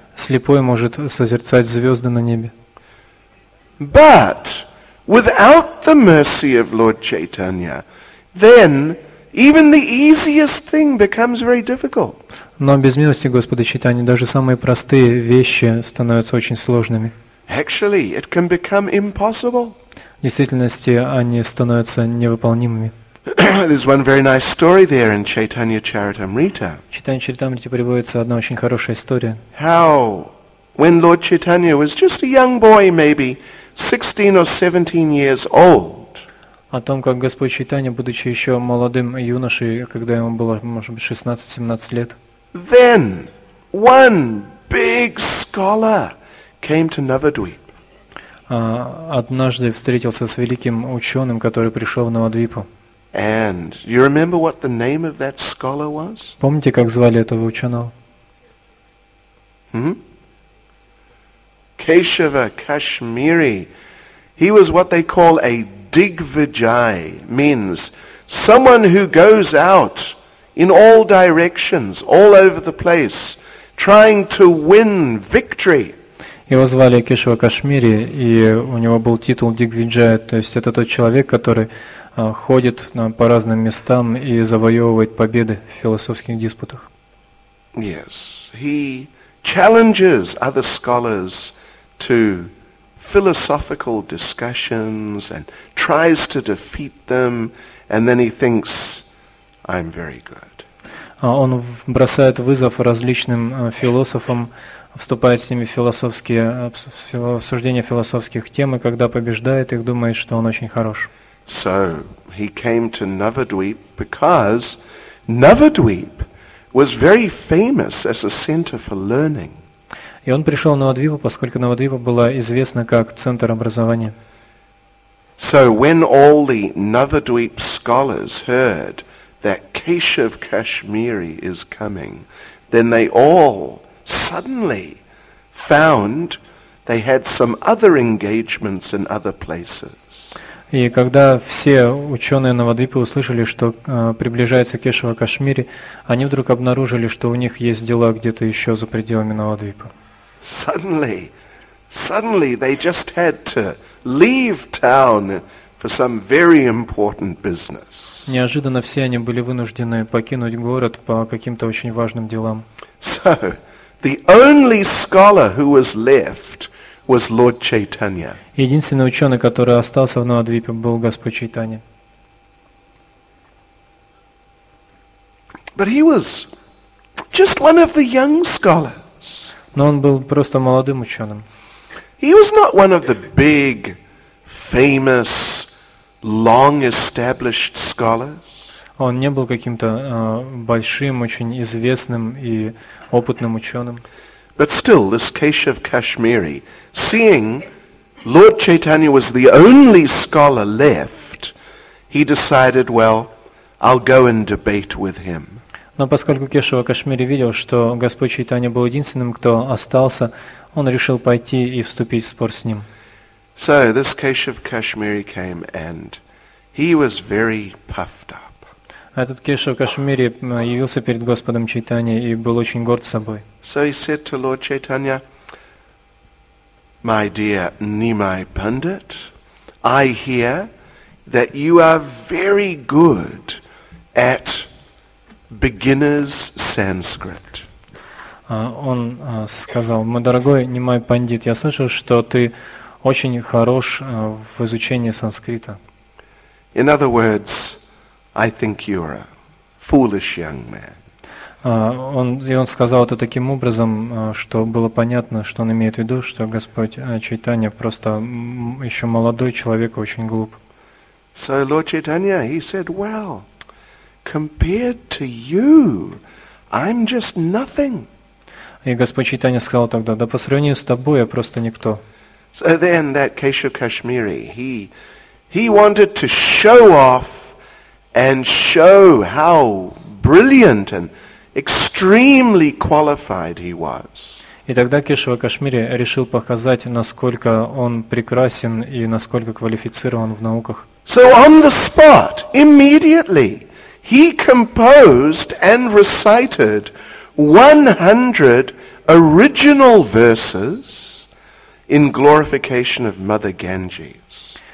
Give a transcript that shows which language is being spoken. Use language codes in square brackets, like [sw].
[ru] Слепой может созерцать звезды на небе. [en] But without the mercy of Lord Chaitanya, then even the easiest thing becomes very difficult. [ru] Но без милости Господа Чайтанья даже самые простые вещи становятся очень сложными. [en] Actually, it can become impossible. [ru] В действительности они становятся невыполнимыми. [en] There's one very nice story there in Chaitanya Charitamrita. [ru] В Чайтанье Чаритамрите приводится одна очень хорошая история. [en] How, when Lord Chaitanya was just a young boy, maybe 16 or 17 years old. [ru] О том, как Господь Чайтанья, будучи еще молодым юношей, когда ему было, может быть, 16-17 лет. [en] Then one big scholar came to Navadvip. [ru] Однажды встретился с великим ученым, который пришел в Навадвипу. [en] And you remember what the name of that scholar was? [ru] Помните, как звали этого ученого? Кешава Кашмири. [en] He was what they call a Digvijay, means someone who goes out in all directions, all over the place, trying to win victory. [ru] Его звали Кешава Кашмири, и у него был титул Дигвиджая, то есть это тот человек, который ходит по разным местам и завоевывает победы в философских диспутах. [en] Yes, he challenges other scholars to philosophical discussions and tries to defeat them, and then he thinks, I'm very good. [ru] Он бросает вызов различным философам, вступает с ними в философские обсуждения философских тем, и когда побеждает их, думает, что он очень хорош. [en] So he came to Navadvip because Navadvip was very famous as a center for learning. [ru] И он пришел на Навадвипу, поскольку Навадвипа была известна как центр образования. [en] So when all the Navadvip scholars heard that Keshav Kashmiri is coming, then they all suddenly found they had some other engagements in other places. [ru] И когда все ученые Навадвипы услышали, что приближается Кешава Кашмири, они вдруг обнаружили, что у них есть дела где-то еще за пределами Навадвипа. [en] Suddenly they just had to leave town for some very important business. [ru] Неожиданно все они были вынуждены покинуть город по каким-то очень важным делам. [en] So, the only scholar who was left was Lord Chaitanya. [ru] Единственный ученый, который остался в Навадвипе, был Господь Чайтанья. [en] But he was just one of the young scholars. [ru] Но он был просто молодым ученым. [en] He was not one of the big, famous, long-established scholars. [ru] Он не был каким-то большим, очень известным и опытным ученым. [en] But still, this Keshav Kashmiri, seeing Lord Chaitanya was the only scholar left, he decided, well, I'll go and debate with him. [ru] Но поскольку Кешава Кашмири видел, что Господь Чайтанья был единственным, кто остался, он решил пойти и вступить в спор с ним. [en] So this Keshav Kashmiri came and he was very puffed up. [ru] Этот Кешав Кашмири явился перед Господом Чайтанья и был очень горд собой. [en] So he said to Lord Chaitanya, my dear Nimai Pandit, I hear that you are very good at beginner's Sanskrit. [ru] Он сказал, мой дорогой Нимай Пандит, я слышал, что ты очень хорош в изучении санскрита. [en] In other words, I think you are a foolish young man. [ru] Он сказал это таким образом, что было понятно, что он имеет в виду, что Господь Чайтанья просто еще молодой человек, очень глуп. [en] So Lord Chaitanya, he said, well, compared to you, I'm just nothing. [ru] И Господь Чайтанья сказал тогда, да по сравнению с тобой я просто никто. [en] So then that Keshav Kashmiri, he wanted to show off and show how brilliant and extremely qualified he was. [ru] И тогда Кешава Кашмири решил показать, насколько он прекрасен и насколько квалифицирован в науках. [en] So on the spot, immediately, he composed and recited 100 original verses in glorification of Mother Ganges.